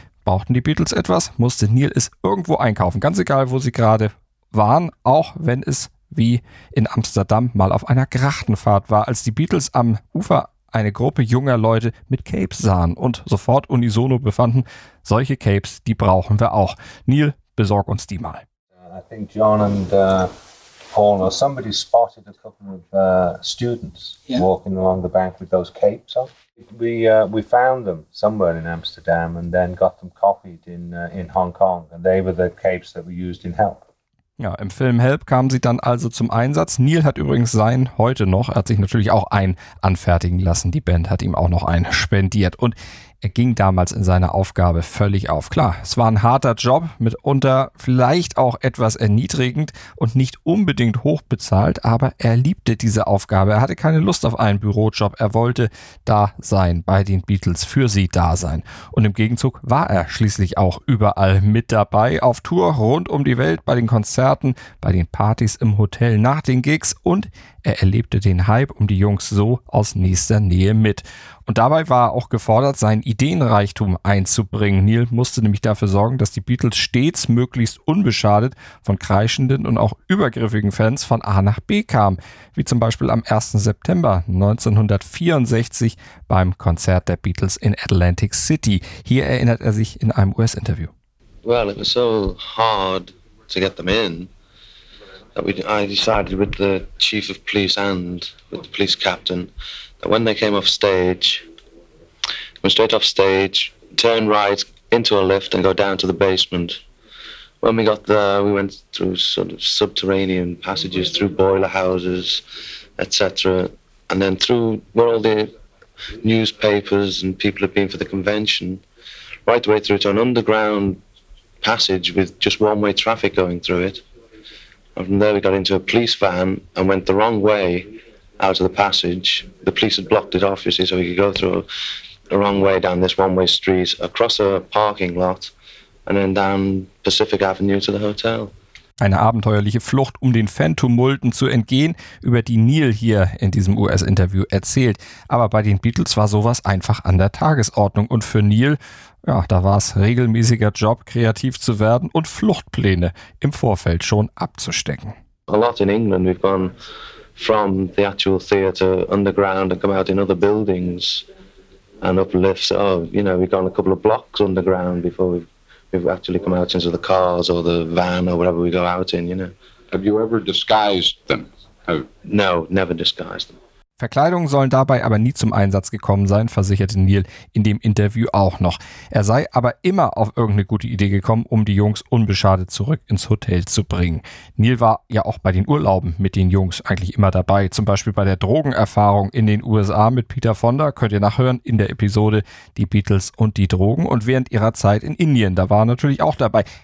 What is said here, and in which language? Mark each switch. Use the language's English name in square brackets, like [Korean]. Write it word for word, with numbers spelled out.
[German] Brauchten die Beatles etwas, musste Neil es irgendwo einkaufen. Ganz egal, wo sie gerade waren, auch wenn es wie in Amsterdam mal auf einer Grachtenfahrt war, als die Beatles am Ufer eine Gruppe junger Leute mit Capes sahen und sofort unisono befanden, solche Capes, die brauchen wir auch. Neil, besorg uns die mal. [English] I think John and uh, Paul or somebody spotted a couple of uh, students yeah. walking along the bank with those capes on. We uh, we found them somewhere in Amsterdam and then got them copied in uh, in Hong Kong and they were the capes that we used in Help. [German] Ja, im Film Help kamen sie dann also zum Einsatz. Neil hat übrigens sein heute noch, er hat sich natürlich auch einen anfertigen lassen. Die Band hat ihm auch noch einen spendiert und er ging damals in seiner Aufgabe völlig auf. Klar, es war ein harter Job, mitunter vielleicht auch etwas erniedrigend und nicht unbedingt hoch bezahlt, aber er liebte diese Aufgabe. Er hatte keine Lust auf einen Bürojob. Er wollte da sein, bei den Beatles, für sie da sein. Und im Gegenzug war er schließlich auch überall mit dabei, auf Tour rund um die Welt, bei den Konzerten, bei den Partys im Hotel, nach den Gigs und er erlebte den Hype um die Jungs so aus nächster Nähe mit. Und dabei war er auch gefordert, seinen Ideenreichtum einzubringen. Neil musste nämlich dafür sorgen, dass die Beatles stets möglichst unbeschadet von kreischenden und auch übergriffigen Fans von A nach B kamen. Wie zum Beispiel am ersten September neunzehnhundertvierundsechzig beim Konzert der Beatles in Atlantic City. Hier erinnert er sich in einem U S-Interview. [English] Well, it was so hard to get them in. That we, I decided with the chief of police and with the police captain that when they came off stage, went straight off stage, turn right into a lift and go down to the basement. When we got there, we went through sort of subterranean passages, through boiler houses, et cetera, and then through where all the newspapers and people had been for the convention, right the way through to an underground passage with just one-way traffic going through it. And from there we got into a police van and went the wrong way out of the passage. The police had blocked it off, you see, so we could go through the wrong way down this one-way street, across a parking lot, and then down Pacific Avenue to the hotel. [German] Eine abenteuerliche Flucht, um den Fan-Tumulten zu entgehen, über die Neil hier in diesem U S-Interview erzählt. Aber bei den Beatles war sowas einfach an der Tagesordnung. Und für Neil, ja, da war es regelmäßiger Job, kreativ zu werden und Fluchtpläne im Vorfeld schon abzustecken. [English] A lot in England. We've gone from the actual theatre underground and come out in other buildings and up lifts. Oh, you know, we've gone a couple of blocks underground before we've We've actually come out into the cars or the van or whatever we go out in, you know. Have you ever disguised them? Have... No, never disguised them. [German] Verkleidungen sollen dabei aber nie zum Einsatz gekommen sein, versicherte Neil in dem Interview auch noch. Er sei aber immer auf irgendeine gute Idee gekommen, um die Jungs unbeschadet zurück ins Hotel zu bringen. Neil war ja auch bei den Urlauben mit den Jungs eigentlich immer dabei, zum Beispiel bei der Drogenerfahrung in den U S A mit Peter Fonda, könnt ihr nachhören in der Episode Die Beatles und die Drogen, und während ihrer Zeit in Indien, da war er natürlich auch dabei.